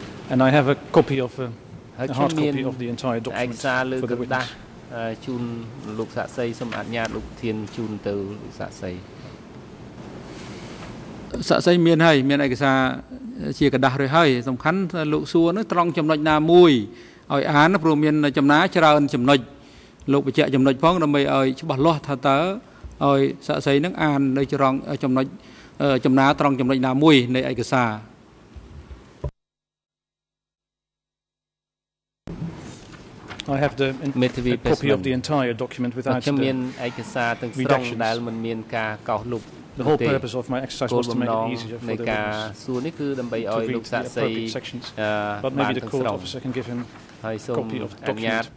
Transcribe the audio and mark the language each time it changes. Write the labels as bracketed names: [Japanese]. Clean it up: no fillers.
[English] And I have a copy of a hard copy of the entire document for the witness. [Khmer] ជូន លោក សាក្សី សូម អនុញ្ញាត លោក ធាន ជូន ទៅ លោក សាក្សី សាក្សី មាន ហើយ មាន ឯកសារ ជា កដាស់ រួច ហើយ សំខាន់ ថា លោក សួរ នឹង ត្រង់ ចំណុច ណា មួយ ឲ្យ អាន ព្រោះ មាន ចំណា ច្រើន ចំណុច លោក បញ្ជាក់ ចំណុច ផង ដើម្បី ឲ្យ ច្បាស់ លាស់ ថា តើ ឲ្យ សាក្សី នឹង អាន នៅ ច្រង់ ចំណុច ចំណា ត្រង់ ចំណុច ណា មួយ នៃ ឯកសារ [English] I have the copy of the entire document without the redactions. The whole purpose of my exercise was to make it easier for the witness to read the appropriate sections. But maybe the court officer can give him a copy of the document.